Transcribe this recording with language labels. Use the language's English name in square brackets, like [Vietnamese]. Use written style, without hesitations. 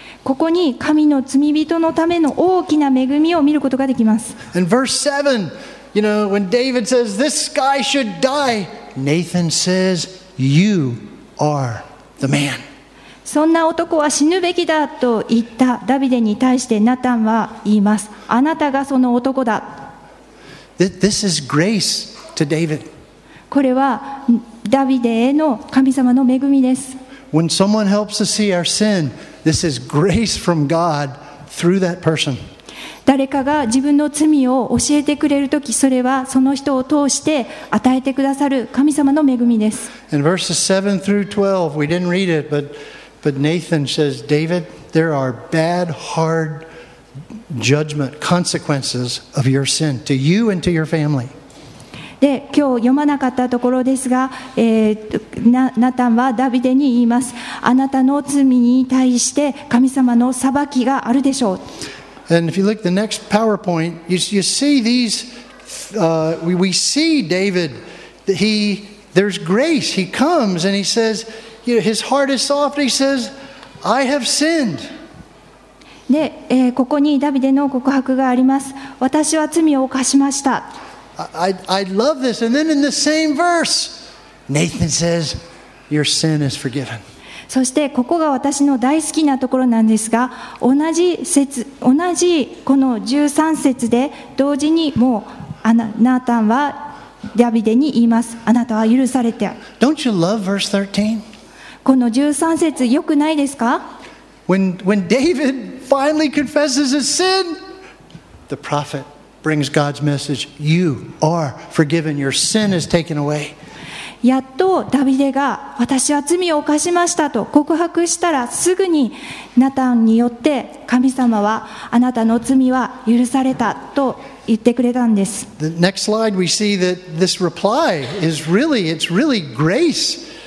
[Japanese] ここに神の罪人のための大きな恵みを見ることができます。 [English] And verse 7, you know, when David says, this guy should die, Nathan says, you are the man. [Japanese] そんな男は死ぬべきだと言ったダビデに対してナタンは言います。あなたがその男だ。 [English] This is grace to David. [Japanese] これはダビデへの神様の恵みです。 [English] When someone helps us see our sin, this is grace from God through that person. [Japanese] 誰かが自分の罪を教えてくれるとき、それはその人を通して与えてくださる神様の恵みです。 [English] In verses 7 through 12, we didn't read it, but Nathan says, David, there are bad, hard judgment consequences of your sin to you and to your family. [Japanese] で、今日読まなかったところですが、ナタンはダビデに言います。あなたの罪に対して神様の裁きがあるでしょう。 [English] And if you look at the next PowerPoint, you see these, we see David, there's grace. He comes and he says,You know, his heart is soft. He says, "I have sinned." [Japanese] で、ここにダビデの告白があります。私は罪を犯しました。 [English] I love this. And then in the same verse, Nathan says, "Your sin is forgiven." [Japanese] そしてここが私の大好きなところなんですが、同じこの13節で同時にもうナタンはダビデに言います。あなたは許されて。 [English] Don't you love verse 13? [Japanese] この13節良くないですか? [English] When David finally confesses his sin, the prophet brings God's message, you are forgiven, your sin is taken away. [Japanese] やっとダビデが私は罪を犯しましたと告白したらすぐにナタンによって神様はあなたの罪は許されたと言ってくれたんです。 [English] The next slide we see that this reply is really, it's really grace.